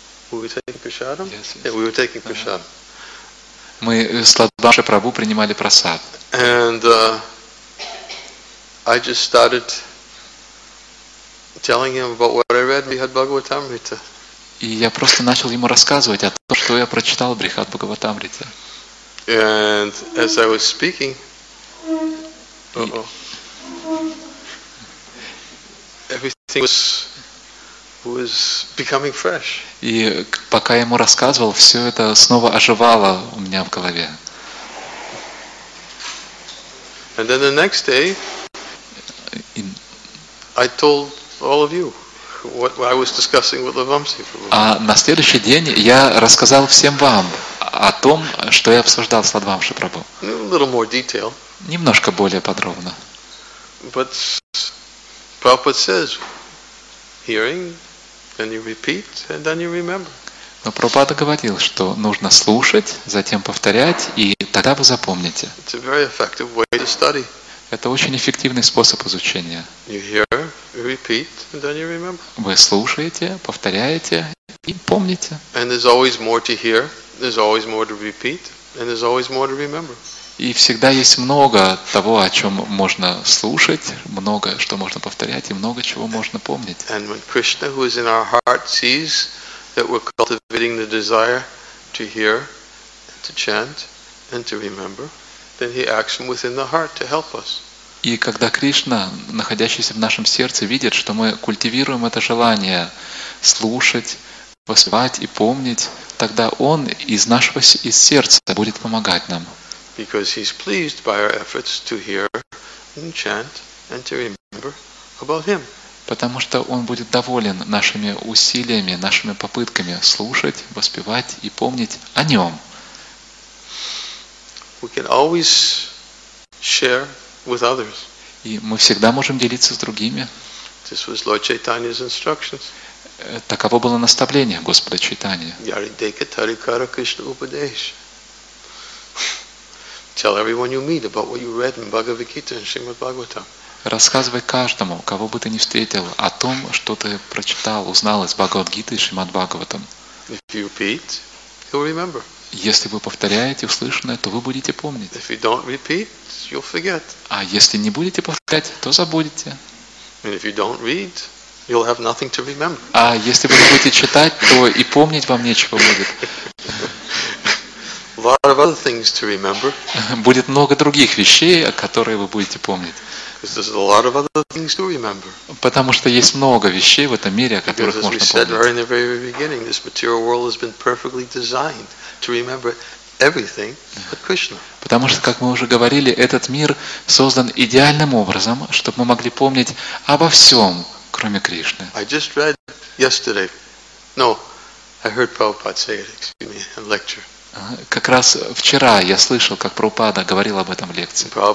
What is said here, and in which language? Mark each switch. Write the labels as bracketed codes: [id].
[en] We were taking prasadam? Yes. Yeah, we were taking prasadam. [ru] Мы с Лавамсе Прабу принимали прасад. [en] And I just started telling him about what I read Brihad Bhagavatamrita. [ru] И я просто начал ему рассказывать о том, что я прочитал Брихад Бхагаватамрита. [en] And as I was speaking, everything was becoming fresh. [ru] И пока я ему рассказывал, все это снова оживало у меня в голове. [en] And then the next day, I told all of you what I was discussing with Lavamsi. [ru] А на следующий день я рассказал всем вам о том, что я обсуждал с Лавамсе Прабху. [en] A little more detail. [ru] Немножко более подробно. [en] But Prabhupada says, hearing, then you repeat, and then you remember. [ru] Но Прабхупада говорил, что нужно слушать, затем повторять, и тогда вы запомните. [en] It's a very effective way to study. [ru] Это очень эффективный способ изучения. [en] You hear, repeat, and then you remember. [ru] Вы слушаете, повторяете и помните. [en] And there's always more to hear, there's always more to repeat, and there's always more to remember. [ru] И всегда есть много того, о чем можно слушать, много, что можно повторять, и много чего можно помнить. [en] And when Krishna, who is in our heart, sees that we're cultivating the desire to hear, to chant, and to remember, then he acts from within the heart to help us. [ru] И когда Кришна, находящийся в нашем сердце, видит, что мы культивируем это желание слушать, воспевать и помнить, тогда Он из нашего из сердца будет помогать нам. [en] Because he's pleased by our efforts to hear and chant and to remember about him. [ru] Потому что он будет доволен нашими усилиями, нашими попытками слушать, воспевать и помнить о нем. [en] We can always share with others. [ru] И мы всегда можем делиться с другими. [en] This was Lord Chaitanya's instructions. [ru] Таково было наставление Господа Чайтаньи. [bn] Yaridika Tarikara Krishna Upadesh. [en] Tell everyone you meet about what you read in Bhagavad Gita and Srimad Bhagavatam. [ru] Рассказывай каждому, кого бы ты ни встретил, о том, что ты прочитал, узнал из Бхагавад-гиты и Шримад-Бхагаватам. [en] If you repeat, you'll remember. [ru] Если вы повторяете услышанное, то вы будете помнить. [en] If you don't repeat, you'll forget. [ru] А если не будете повторять, то забудете. [en] And if you don't read, you'll have nothing to remember. [ru] А если вы не будете читать, то и помнить вам нечего будет. [en] A lot of other things to remember. [ru] Будет много других вещей, которые вы будете помнить. [en] Because there's a lot of other things to remember. [ru] Потому что есть много вещей в этом мире, о которых можно помнить. [en] Because as we said right in the very beginning, this material world has been perfectly designed to remember everything but Krishna. [ru] Потому что, как мы уже говорили, этот мир создан идеальным образом, чтобы мы могли помнить обо всем, кроме Кришны. [en] I just read yesterday. No, I heard Prabhupada say it. Excuse me, in lecture. [ru] Как раз вчера я слышал, как Прабхупада говорил об этом лекции.